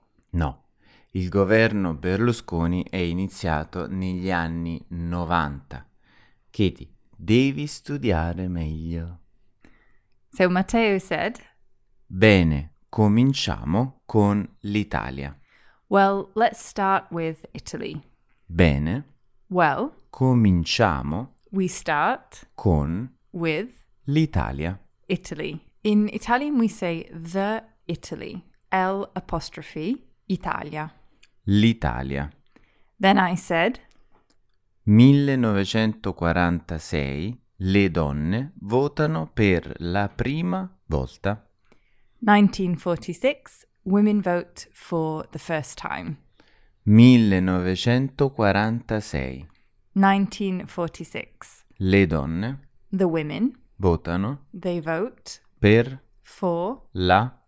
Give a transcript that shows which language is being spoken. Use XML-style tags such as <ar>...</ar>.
<it>No, il governo Berlusconi è iniziato negli anni 90. Katie, devi studiare meglio.</it> <en>So Matteo said...</en> <it>Bene, cominciamo con l'Italia.</it> <en>Well, let's start with Italy.</en> <it>Bene.</it> <en>Well.</en> <it>Cominciamo.</it> <en>We start.</en> <it>Con.</it> <en>With.</en> <it>L'Italia.</it> <en>Italy. In Italian we say the Italy, L apostrophe, Italia.</en> <it>L'Italia.</it> <en>Then I said...</en> <it>1946, le donne votano per la prima volta.</it> <en>1946, women vote for the first time.</en> <it>1946.</it> <en>1946.</en> <it>Le donne...</it> <en>The women...</en> <it>Votano...</it> <en>They vote...</en> <it>Per</it> <en>for</en> <it>la</it>